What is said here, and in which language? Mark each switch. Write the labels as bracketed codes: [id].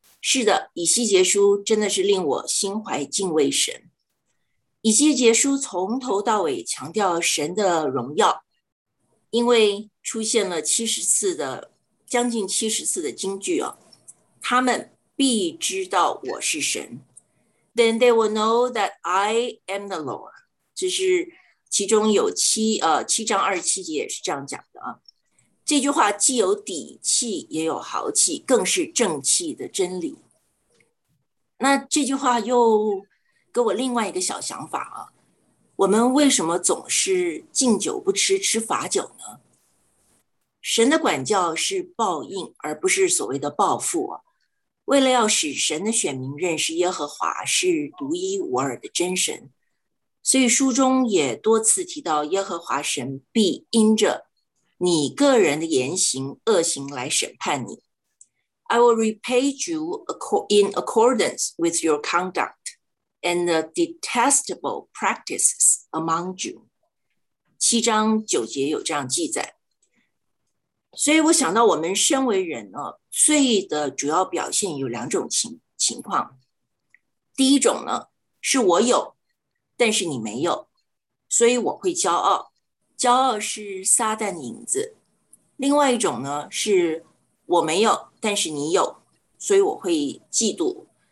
[zh] 是的，以西结书真的是令我心怀敬畏神。以西结书从头到尾强调神的荣耀，因为出现了将近70次的金句哦，他们必知道我是神。 [en] Then they will know that I am the Lord。 [zh] 这是。其中有7章27节也是这样讲的啊，这句话既有底气，也有豪气，更是正气的真理。那这句话又给我另外一个小想法啊，我们为什么总是敬酒不吃吃罚酒呢？神的管教是报应，而不是所谓的报复啊。为了要使神的选民认识耶和华是独一无二的真神。所以书中也多次提到，耶和华神必因着你个人的言行恶行来审判你。 [en] I will repay you in accordance with your conduct and the detestable practices among you。 [zh] 7章9节有这样记载。所以我想到，我们身为人呢，罪的主要表现有2种情况。第一种呢，是我有。但是你没有，所以我会骄傲。骄傲是撒旦的影子。另外一种呢，是我没有，但是你有，所以我会嫉妒。